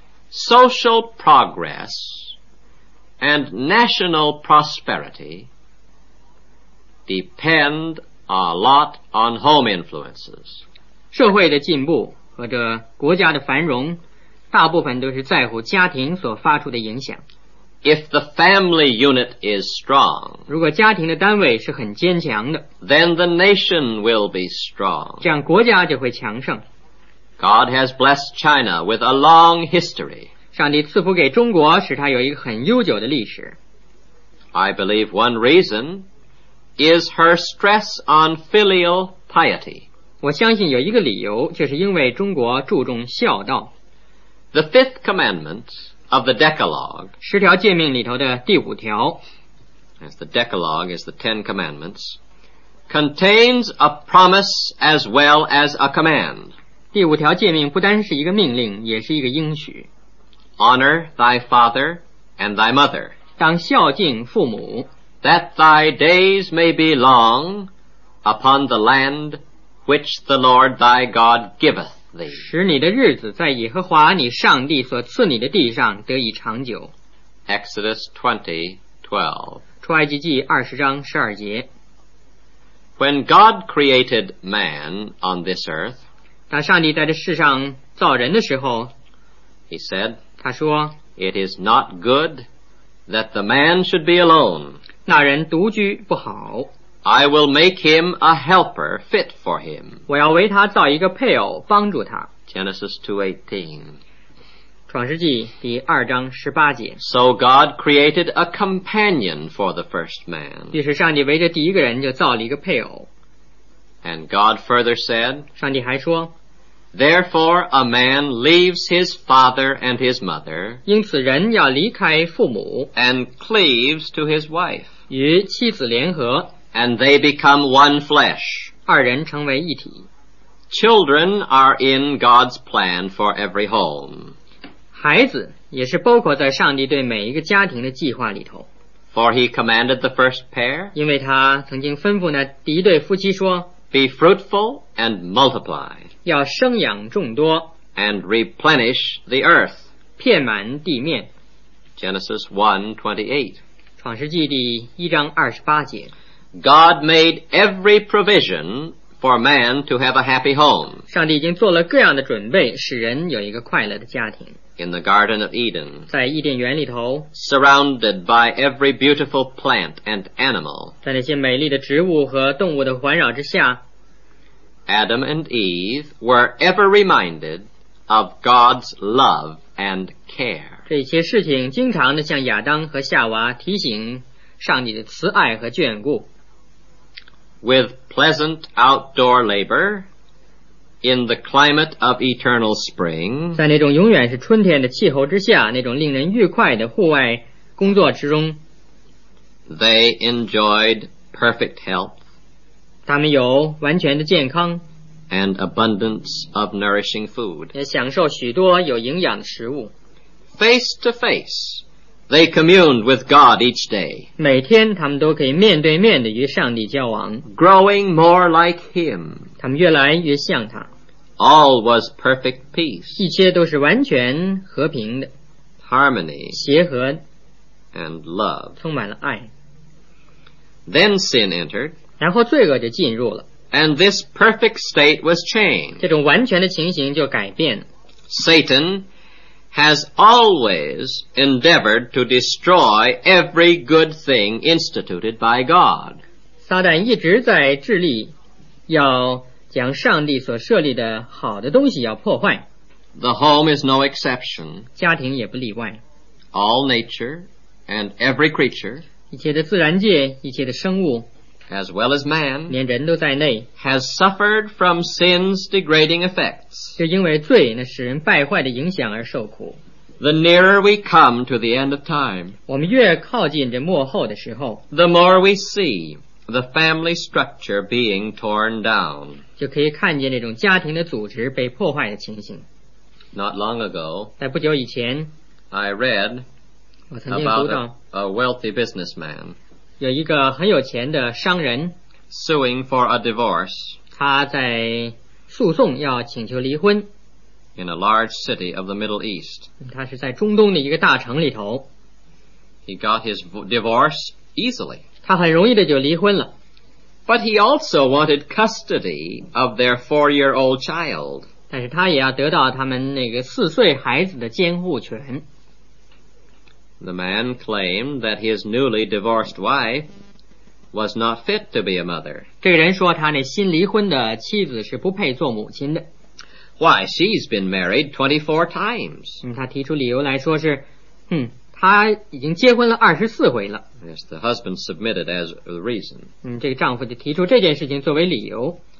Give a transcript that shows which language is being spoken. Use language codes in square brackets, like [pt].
[en] Social progress and national prosperity depend a lot on home influences. [zh] 社会的进步和这国家的繁荣大部分都是在乎家庭所发出的影响。 [en] If the family unit is strong, [zh] 如果家庭的单位是很坚强的， [en] then the nation will be strong. [zh] 这样国家就会强盛。 [en] God has blessed China with a long history. [zh] 上帝赐福给中国，使它有一个很悠久的历史。 [en] I believe one reason is her stress on filial piety. [zh] 我相信有一个理由，就是因为中国注重孝道。 [en] The fifth commandment of the Decalogue. [zh] 十条诫命里头的第五条。 [en] As the Decalogue is the Ten Commandments, contains a promise as well as a command. [zh] 第五条诫命不单是一个命令，也是一个应许。 [en] Honor thy father and thy mother. [zh] 当孝敬父母。 [en] That thy days may be long upon the land which the Lord thy God giveth thee. [zh] 使你的日子在耶和华你上帝所赐你的地上得以长久。 [en] Exodus 20:12. [zh] 出埃及记二十章十二节。 [en] When God created man on this earth, [zh] 当上帝在这世上造人的时候 [en] He said, [zh] 他说 [en] It is not good that the man should be alone. [zh] 那人独居不好。 [en] I will make him a helper fit for him. [zh] 我要为他造一个配偶帮助他。 [en] Genesis 2:18. [zh] 创世纪第二章十八节。 [en] So God created a companion for the first man. [zh] 于是上帝为这第一个人就造了一个配偶。 [en] And God further said, [zh] 上帝还说, [en] Therefore a man leaves his father and his mother, [zh] 因此人要离开父母, [en] and cleaves to his wife, [zh] 与妻子联合, [en] and they become one flesh. [zh] 二人成为一体。 [en] Children are in God's plan for every home. [zh] 孩子也是包括在上帝对每一个家庭的计划里头。 [en] For he commanded the first pair, [zh] 因为他曾经吩咐那第一对夫妻说, [en] Be fruitful and multiply, [zh] 要生养众多, [en] and replenish the earth, [zh] 遍满地面。 [en] Genesis 1:28, [zh] 创世纪第一章二十八节。 [en] God made every provision for man to have a happy home, [zh] 上帝已经做了各样的准备使人有一个快乐的家庭。 [en] In the Garden of Eden, [zh] 在伊甸园里头, [en] surrounded by every beautiful plant and animal, [zh] 在那些美丽的植物和动物的环绕之下, [en] Adam and Eve were ever reminded of God's love and care. [zh] 这些事情经常地向亚当和夏娃提醒上帝的慈爱和眷顾。 [en] With pleasant outdoor labor,In the climate of eternal spring, [zh] 在那种永远是春天的气候之下，那种令人愉快的户外工作之中。 [en] They enjoyed perfect health. [zh] 他们有完全的健康。 [en] And abundance of nourishing food. [zh] 也享受许多有营养的食物。 [en] Face to face, they communed with God each day. [zh] 每天他们都可以面对面的与上帝交往。 [en] Growing more like Him. [zh] 他们越来越像他。 [en] All was perfect peace. [zh] 一切都是完全和平的。 [en] Harmony. [zh] 协和。 [en] And love. [zh] 充满了爱。 [en] Then sin entered. [zh] 然后罪恶就进入了。 [en] And this perfect state was changed. [zh] 这种完全的情形就改变了。 [en] Satan has always endeavored to destroy every good thing instituted by God. [zh] 撒旦一直在致力要将上帝所设立的好的东西要破坏。 [en] The home is no exception. [zh] 家庭也不例外。 [en] All nature and every creature, [zh] 一切的自然界，一切的生物， [en] as well as man, [zh] 连人都在内， [en] has suffered from sin's degrading effects. [zh] 就因为罪那使人败坏的影响而受苦。 [en] The nearer we come to the end of time, [zh] 我们越靠近这末后的时候， [en] the more we see the family structure being torn down. [zh] 就可以看见那种家庭的组织被破坏的情形。 [en] Not long ago, [zh] 在不久以前， [en] I read about a wealthy businessman. [zh] 有一个很有钱的商人， [en] suing for a divorce. [zh] 他在诉讼要请求离婚。 [en] In a large city of the Middle East. [zh] 他是在中东的一个大城里头。 [en] He got his divorce easily. [zh] 他很容易的就离婚了。 [en] But he also wanted custody of their four-year-old child. [zh] 但是他也要得到他们那个四岁孩子的监护权。 [en] The man claimed that his newly divorced wife was not fit to be a mother. [zh] 这个人说他那新离婚的妻子是不配做母亲的。 [en] Why, she's been married 24 times. [zh] 他提出理由来说是，他已经结婚了24回了。 [en] Yes, the husband submitted as a reason. [zh] 这个丈夫就提出这件事情作为理由。